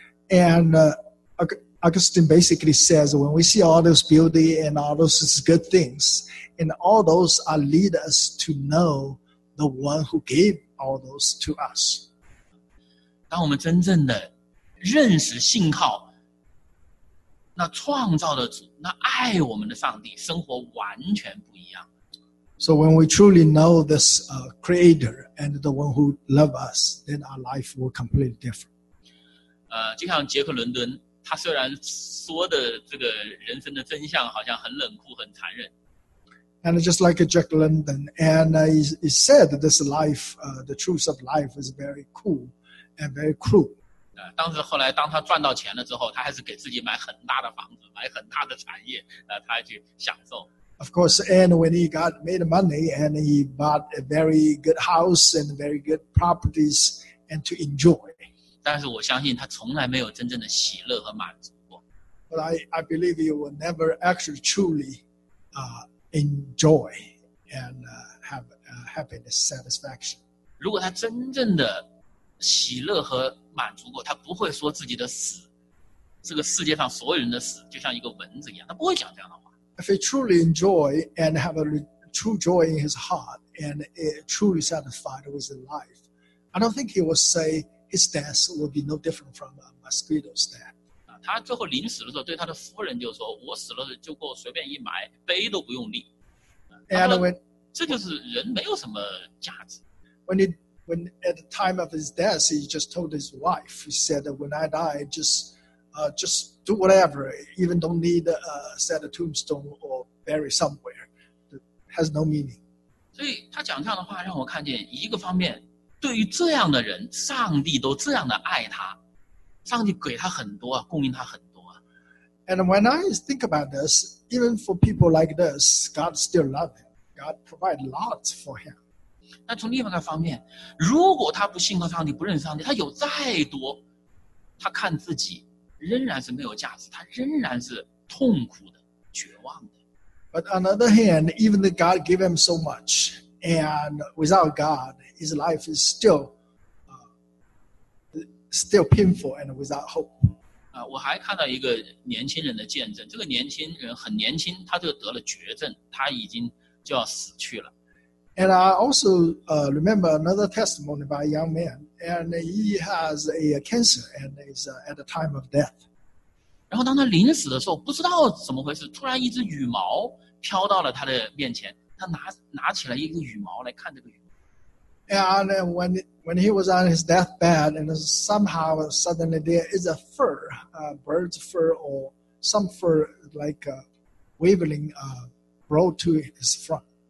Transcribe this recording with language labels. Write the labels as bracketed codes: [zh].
[en] And Augustine basically says, when we see all those beauty and all those good things, and all those are lead us to know the one who gave all those to us. [zh] 当我们真正的认识信靠那创造的主，那爱我们的上帝，生活完全不一样。 [en] So when we truly know this creator and the one who loves us, then our life will completely different. [zh] 就像杰克伦敦，他虽然说的这个人生的真相好像很冷酷很残忍。 [en] And just like Jack London, and he said that this life, the truth of life is very cool and very cruel. [zh] 当时后来当他赚到钱了之后，他还是给自己买很大的房子，买很大的产业，他还去享受。 [en] Of course, and when he got made money, and he bought a very good house and very good properties and to enjoy. [zh] 但是我相信他从来没有真正的喜乐和满足过。 [en] But I believe he will never actually truly enjoy and have happiness, satisfaction. [zh] 如果他真正的喜乐和满足过，他不会说自己的死，这个世界上所有人的死，就像一个蚊子一样，他不会讲这样的话。 [en] If he truly enjoy and have a true joy in his heart and truly satisfied with his life, I don't think he will say his death will be no different from a mosquito's death. [zh] 他最后临死的时候对他的夫人就说，我死了就够随便一埋，碑都不用立。 [en] And when, [zh] 这就是人没有什么价值。 [en] When at the time of his death, he just told his wife, he said, when I die, just do whatever, even don't need a set of tombstone or bury somewhere. It has no meaning. [zh] 所以他讲这样的话让我看见，一个方面对于这样的人，上帝都这样的爱他，上帝给他很多，供应他很多。 [en] And when I think about this, even for people like this, God still loves him. God provides lots for him. [zh] 那从另外一个方面，如果他不信靠上帝，不认识上帝，他有再多，他看自己仍然是没有价值，他仍然是痛苦的，绝望的。 [en] But on the other hand, even though God gave him so much, and without God, his life is still painful and without hope. [zh] 我还看到一个年轻人的见证，这个年轻人很年轻，他就得了绝症，他已经就要死去了。 [en] And I also remember another testimony by a young man. And he has a cancer and is at the time of death. [zh] 然后当他临死的时候，不知道怎么回事，突然一只羽毛飘到了他的面前，他拿起了一个羽毛来看这个羽毛。 [en] And when he was on his deathbed, and somehow suddenly there is a fur, a bird's fur or some fur like waving brought to his front.